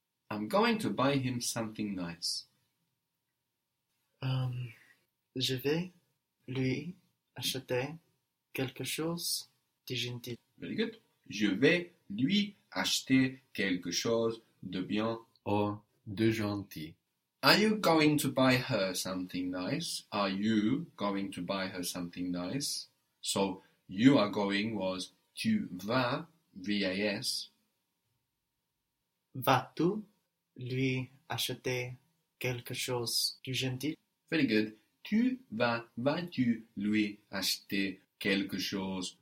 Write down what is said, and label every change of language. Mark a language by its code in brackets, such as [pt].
[en] I'm going to buy him something nice. [fr] Je vais lui acheter quelque chose de gentil. [en] Very good. [fr] Je vais lui acheter quelque chose de bien or de gentil. [en] Are you going to buy her something nice? Are you going to buy her something nice? So, you are going was [fr] tu vas, [en] V-A-S. [fr] Vas-tu lui acheter quelque chose de gentil? [en] Very good. [fr] Tu vas, vas-tu lui acheter quelque chose